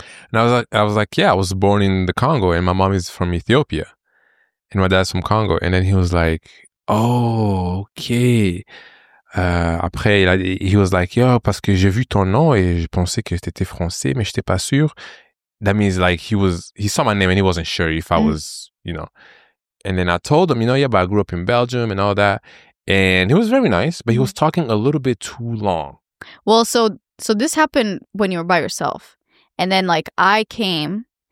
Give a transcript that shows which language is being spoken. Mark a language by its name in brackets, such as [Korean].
[English] And I was like, yeah, I was born in the Congo and my mom is from Ethiopia and my dad's from Congo. And then he was like, oh, okay. [French] Après, [English] he was like, yo, [French] parce que j'ai vu ton nom et je pensais que t'étais français, mais j'étais pas sûr. [English] That means like he saw my name and he wasn't sure if I was, you know. And then I told him, you know, yeah, but I grew up in Belgium and all that. And he was very nice, but he was talking a little bit too long. Well, so this happened when you were by yourself. And then like I came